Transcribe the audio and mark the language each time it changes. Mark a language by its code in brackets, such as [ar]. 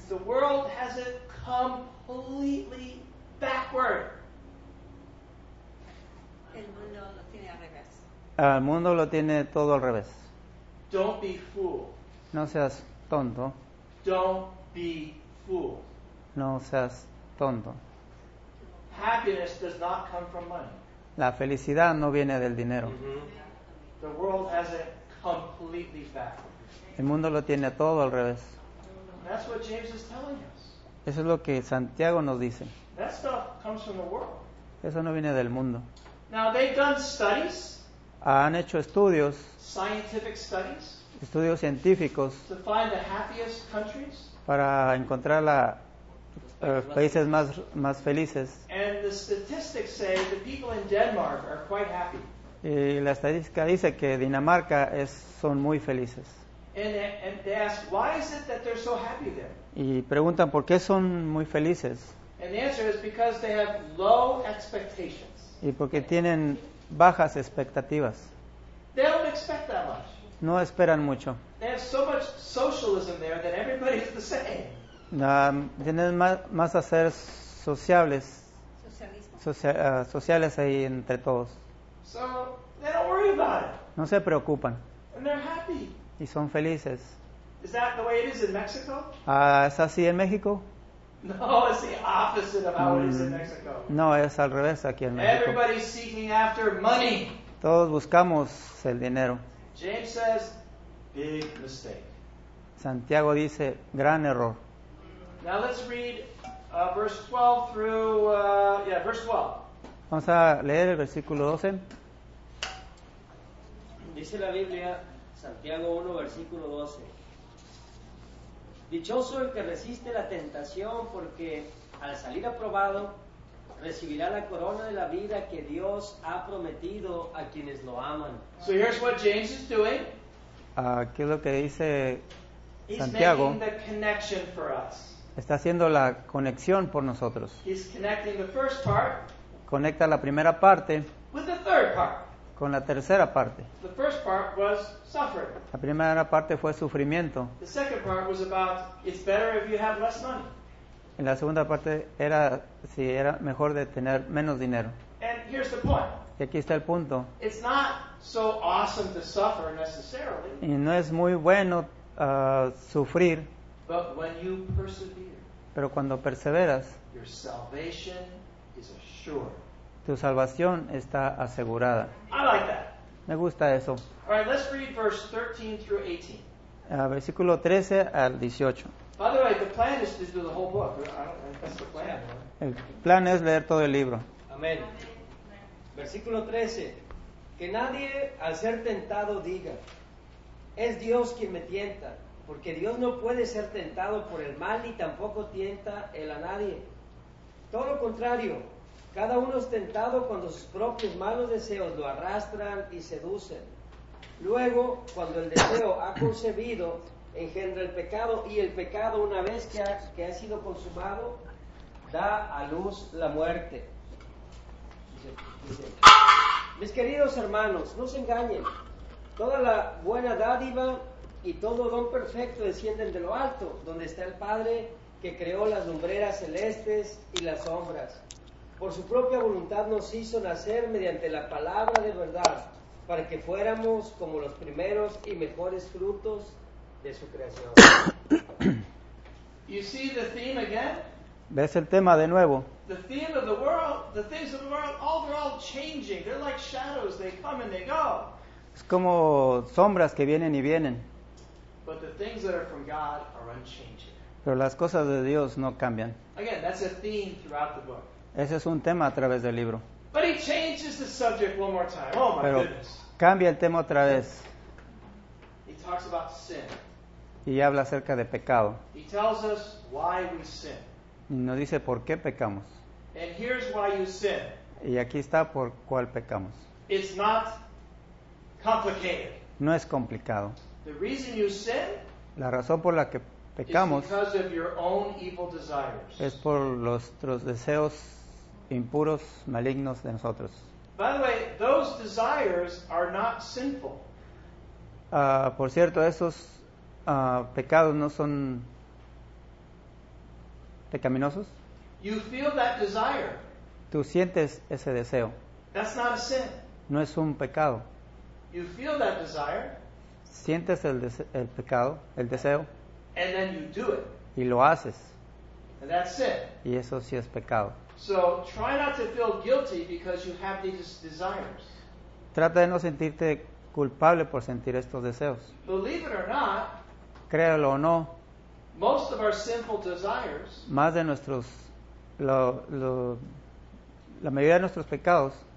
[en] The world has it completely backward. [es] El mundo lo tiene El mundo lo tiene todo al revés. [en] Don't be fooled. [es] No seas tonto. [en] Don't be fooled. [es] No seas tonto. [en] Happiness does not come from money. [es] La felicidad no viene del dinero. Mm-hmm. [en] The world has it completely backwards. [es] El mundo lo tiene todo al revés. [en] That's what James is telling us. [es] Eso es lo que Santiago nos dice. [en] That stuff comes from the world. [es] Eso no viene del mundo. [en] Now, they've done studies. [es] Han hecho estudios. [en] Scientific studies. [es] Estudios científicos. [en] To find the happiest countries. [es] Para encontrar la países más felices. [en] And the statistics say the people in Denmark are quite happy. [es] Y la estadística dice que Dinamarca son muy felices. [en] And they ask, why is it that they're so happy there? [es] Y preguntan por qué son muy felices. [en] And the answer is because they have low expectations. [es] Y porque tienen bajas expectativas. [en] They don't expect that much. [es] No esperan mucho. [en] They have so much socialism there that everybody's the same. [es] Tienen más a ser sociables. Sociales ahí entre todos. [en] So they don't worry about it. [es] No se preocupan. [en] And they're happy. [es] Y son felices. [en] Is that the way it is in Mexico? [es] ¿Es así en México? [en] No, it's the opposite of how it is in Mexico. [es] No, es al revés aquí en México. [en] Everybody's seeking after money. [es] Todos buscamos el dinero. [en] James says, big mistake. [es] Santiago dice, gran error. [en] Now let's read verse 12 through, verse 12. [es] Vamos a leer el versículo 12. Dice la Biblia, Santiago 1, versículo 12. Dichoso el que resiste la tentación, porque al salir aprobado, recibirá la corona de la vida que Dios ha prometido a quienes lo aman. [en] So here's what James is doing. [es] ¿Qué es lo que dice Santiago? [en] He's making the connection for us. [es] Está haciendo la conexión por nosotros. [en] He's connecting the first part. [es] Conecta la primera parte. [en] With the third part. [es] Con la tercera parte. [en] The first part was suffering. [es] La primera parte fue sufrimiento. [en] The second part was about it's better if you have less money. [es] En la segunda parte era si era mejor de tener menos dinero. [en] And here's the point. [es] Y aquí está el punto. [en] It's not so awesome to suffer necessarily. [es] Y no es muy bueno sufrir. [en] But when you persevere, [es] pero cuando perseveras, [en] your salvation is assured. [es] Tu salvación está asegurada. [en] I like that. [es] Me gusta eso. [en] All right, let's read verse 13 through 18. [es] Versículo 13 al 18. [en] By the way, the plan is to do the whole book. That's the plan. Right? [es] El plan es leer todo el libro. Amén. Versículo 13. Que nadie, al ser tentado, diga, es Dios quien me tienta. Porque Dios no puede ser tentado por el mal ni tampoco tienta él a nadie. Todo lo contrario, cada uno es tentado cuando sus propios malos deseos lo arrastran y seducen. Luego, cuando el deseo ha concebido, engendra el pecado, y el pecado, una vez que ha sido consumado, da a luz la muerte. Dice, mis queridos hermanos, no se engañen. Toda la buena dádiva y todo don perfecto descienden de lo alto, donde está el Padre que creó las lumbreras celestes y las sombras. Por su propia voluntad nos hizo nacer mediante la palabra de verdad, para que fuéramos como los primeros y mejores frutos de su creación. [en] You see the theme again? [es] ¿Ves el tema de nuevo? [en] The theme of the world, the things of the world, all they're all changing. They're like shadows, they come and they go. [es] Es como sombras que vienen y vienen. [en] But the things that are from God are unchanging. [es] Pero las cosas de Dios no cambian. [en] Again, that's a theme throughout the book. [es] Ese es un tema a través del libro. [en] But he changes the subject one more time. Oh my [es] Pero [en] goodness. [es] Cambia el tema otra vez. [en] He talks about sin. [es] Y habla acerca de pecado. [en] He tells us why we sin. [es] Y nos dice por qué pecamos. [en] And here's why you sin. [es] Y aquí está por cuál pecamos. [en] It's not complicated. [es] No es complicado. [en] The reason you sin, [es] la razón por la que pecamos, [en] is because of your own evil desires. [es] Es por nuestros deseos impuros, malignos de nosotros. [en] By the way, those desires are not sinful. [es] Por cierto, esos pecados no son pecaminosos. [en] You feel that desire. [es] Tú sientes ese deseo. [en] That's not a sin. [es] No es un pecado. [en] You feel that desire. [es] Sientes el pecado, el deseo. [en] And then you do it. [es] Y lo haces. [en] And that's it. [es] Y eso sí es pecado. [en] So try not to feel guilty because you have these desires. [es] Trata de no sentirte culpable por sentir estos deseos. [en] Believe it or not, [es] créelo o no, [en] most of our sinful desires, [es] más de nuestros, la mayoría de nuestros pecados,